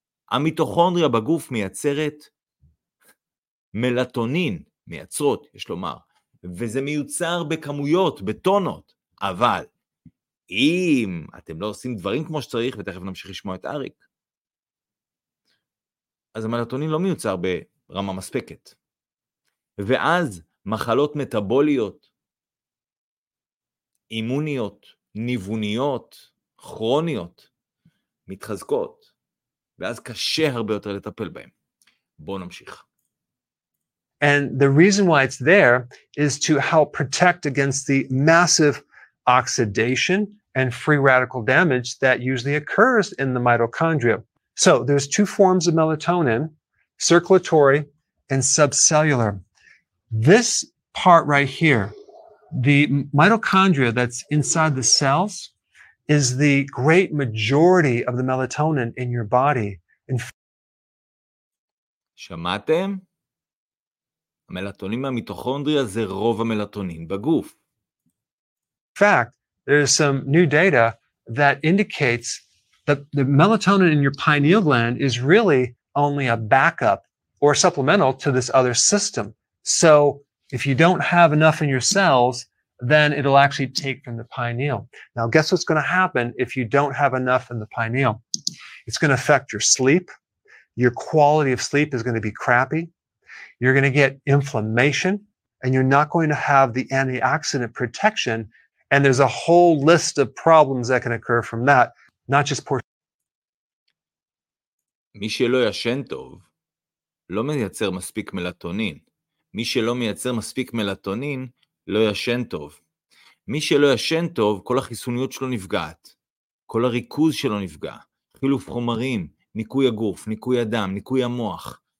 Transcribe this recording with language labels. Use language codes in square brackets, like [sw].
[he] המיטוכונדריה בגוף מייצרת מלטונין, מייצרות, יש לומר, וזה מיוצר בכמויות, בטונות, אבל אם אתם לא עושים דברים כמו שצריך, ותכף נמשיך לשמוע את אריק, אז המלטונין לא מיוצר ברמה מספקת. ואז מחלות מטאבוליות, אימוניות, ניווניות, כרוניות, מתחזקות, ואז קשה הרבה יותר לטפל בהם. בואו נמשיך. [en] And the reason why it's there is to help protect against the massive oxidation and free radical damage that usually occurs in the mitochondria. So there's two forms of melatonin, circulatory and subcellular. This part right here, the mitochondria that's inside the cells is the great majority of the melatonin in your body. [he] שמעתם? המלטונין מהמיטוכונדריה זה רוב המלטונין בגוף. [en] In fact, there is some new data that indicates that the melatonin in your pineal gland is really only a backup or supplemental to this other system. So if you don't have enough in your cells, then it'll actually take from the pineal. Now, guess what's going to happen if you don't have enough in the pineal? It's going to affect your sleep. Your quality of sleep is going to be crappy. You're going to get inflammation, and you're not going to have the antioxidant protection. And there's a whole list of problems that can occur from that, not just poor... [he] מי שלא ישן טוב, לא מייצר מספיק מלטונין. מי שלא מייצר מספיק מלטונין, לא ישן טוב. מי שלא ישן טוב, כל החיסוניות שלו נפגעת. כל הריכוז שלו נפגע. חילוף חומרים, ניקוי הגוף, ניקוי הדם, ניקוי המוח.